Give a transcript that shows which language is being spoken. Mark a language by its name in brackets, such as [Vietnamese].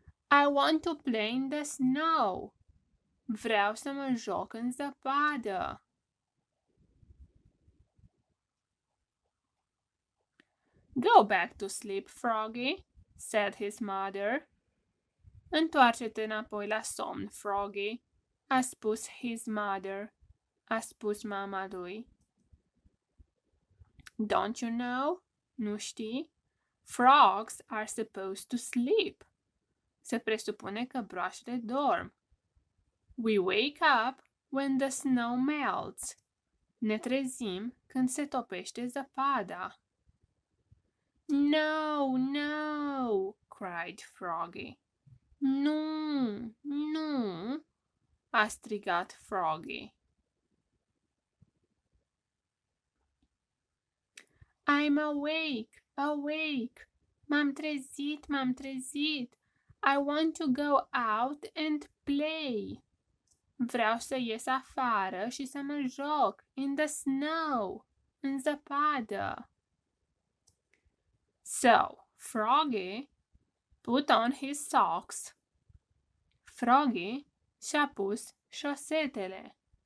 [English] I want to play in the snow. [Romanian] Vreau să mă joc în zăpadă. [English] Go back to sleep, Froggy, said his mother. [Romanian] Întoarce-te înapoi la somn, Froggy, a spus [English] his mother, [Romanian] a spus mama lui. [English] Don't you know? [Romanian] Nu știi? [English] Frogs are supposed to sleep. [Romanian] Se presupune că broașele dorm. [English] We wake up when the snow melts. [Romanian] Ne trezim când se topește zăpada. [English] No, no, cried Froggy. [Romanian] Nu, nu, a strigat Froggy. [English] I'm awake, awake. [Romanian] M-am trezit, m-am trezit. [English] I want to go out and play. [Romanian] Vreau să ies afară și să mă joc [English] in the snow, [Romanian] în zăpadă. [English] So, Froggy put on his socks. [Romanian] Froggy și-a pus șosetele.